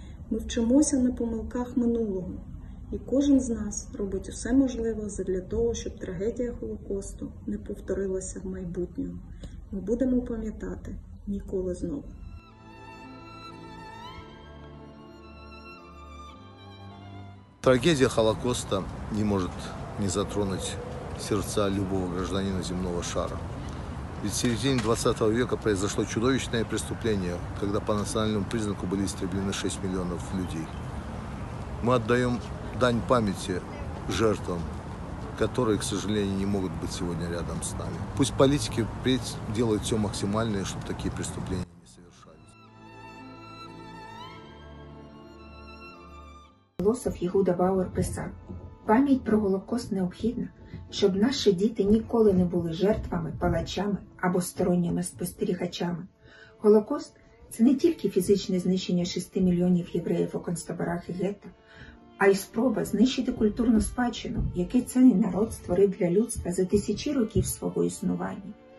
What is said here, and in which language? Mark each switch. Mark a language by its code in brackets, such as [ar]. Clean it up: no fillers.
[uk] Ми вчимося на помилках минулого, і кожен з нас робить усе можливе задля того, щоб трагедія Холокосту не повторилася в майбутньому. Ми будемо пам'ятати ніколи знову. Трагедія Холокоста не може не затронути серця любого громадянина земного шара. [ru] Ведь в середине 20 века произошло чудовищное преступление, когда по национальному признаку были истреблены 6 миллионов людей. Мы отдаем дань памяти жертвам, которые, к сожалению, не могут быть сегодня рядом с нами. Пусть политики впредь делают все максимальное, чтобы такие преступления не совершались. Философ Йехуда Бауэр писал, [uk] пам'ять про Голокост необхідна, щоб наші діти ніколи не були жертвами, палачами або сторонніми спостерігачами. Голокост – це не тільки фізичне знищення 6 мільйонів євреїв у концтаборах і гетто, а й спроба знищити культурну спадщину, яку цей народ створив для людства за тисячі років свого існування.